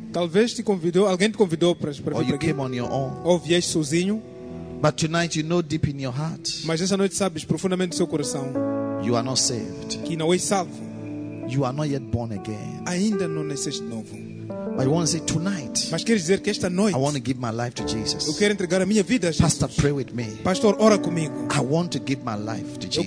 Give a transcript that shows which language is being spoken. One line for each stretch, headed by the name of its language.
Portuguese: Talvez te convidou, alguém te convidou para vir aqui.
English: Or you came on your own.
Portuguese: Ou vieste sozinho.
English: But tonight you know deep in your heart.
Portuguese: Mas essa noite sabes profundamente no seu coração.
English: You are not saved.
Portuguese: Que não és salvo.
English: You are not yet born again.
Portuguese: Ainda não nasceste de novo.
English: But I want to say tonight.
Portuguese: Mas quero dizer que esta noite.
English: I want to give my life to Jesus.
Portuguese: Eu quero entregar a minha vida a Jesus.
English: Pastor, pray with me.
Portuguese: Pastor, ora comigo.
English: I want to give my life to Jesus.